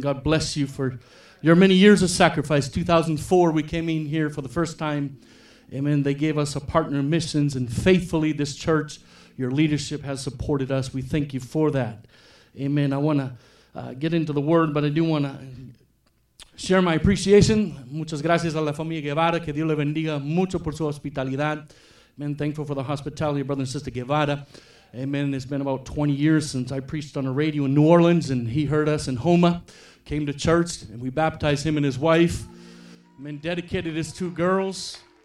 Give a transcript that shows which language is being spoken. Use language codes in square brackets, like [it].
[en] God bless you for your many years of sacrifice. 2004, we came in here for the first time. Amen. They gave us a partner missions, and faithfully this church, your leadership has supported us. We thank you for that. Amen. I want to get into the word, but I do want to share my appreciation. [es] Muchas gracias a la familia Guevara. Que Dios le bendiga mucho por su hospitalidad. [en] Amen. Thankful for the hospitality of Brother and Sister Guevara. Amen. It's been about 20 years since I preached on a radio in New Orleans, and he heard us in Houma, came to church, and we baptized him and his wife. Amen. Dedicated his two girls.